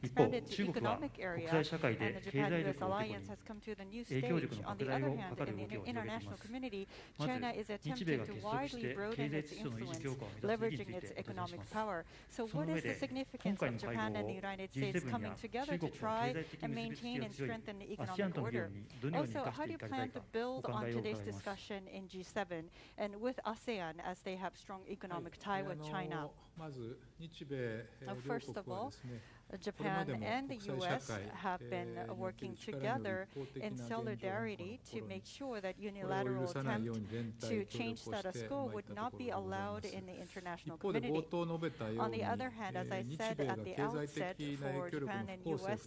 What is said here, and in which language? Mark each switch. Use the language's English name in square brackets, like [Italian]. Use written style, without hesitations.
[Japanese] 一方、中国は国際社会で経済力を手に影響力の拡大を図る動きを広げています。まず、日米が結束して経済秩序の維持強化を目指す意義についてお伺いします。その上で、今回の会合を G7 や中国との経済的結びつきが強い ASEAN との議論にどのように生かしていただきたいかお考えを伺います。 [English] Also, how do you plan to build on today's discussion in G7 and with ASEAN as they have strong economic tie with China? [Japanese] まず日米両国はですね、 [English] Japan and the U.S. have been working together in solidarity to make sure that unilateral attempt to change status quo would not be allowed in the international community. On the other hand, as I said at the outset, for Japan and U.S.